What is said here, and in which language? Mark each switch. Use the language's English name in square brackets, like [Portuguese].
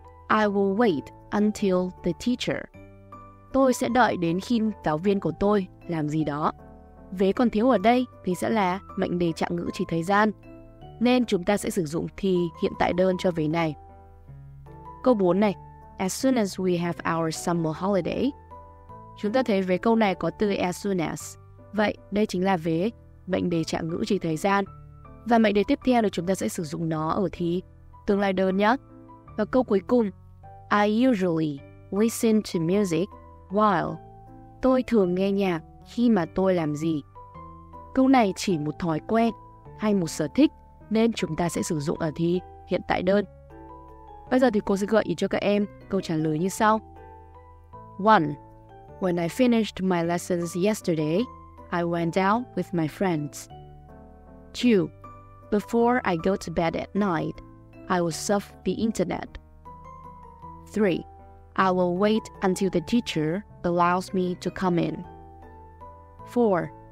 [English] I will wait until the teacher. [Vietnamese] Tôi sẽ đợi đến khi giáo viên của tôi làm gì đó. Vế còn thiếu ở đây thì sẽ là mệnh đề trạng ngữ trí thời gian, nên chúng ta sẽ sử dụng thì hiện tại đơn cho vế này. Câu 4 này. [English] As soon as we have our summer holiday. [Vietnamese] Chúng ta thấy vế câu này có từ as soon as. Vậy đây chính là vế mệnh đề trạng ngữ trí thời gian. Và mệnh đề tiếp theo là chúng ta sẽ sử dụng nó ở thì tương lai đơn nhé. Và câu cuối cùng. [English] I usually listen to music while. [Vietnamese] Tôi thường nghe nhạc khi mà tôi làm gì. Câu này chỉ một thói quen, hay một sở thích nên chúng ta sẽ sử dụng ở thi hiện tại đơn. Bây giờ thì cô sẽ gợi ý cho các em câu trả lời như sau. 1. [English] When I finished my lessons yesterday, I went out with my friends. 2. Before I go to bed at night, I will surf the internet. 3. I will wait until the teacher allows me to come in. 4.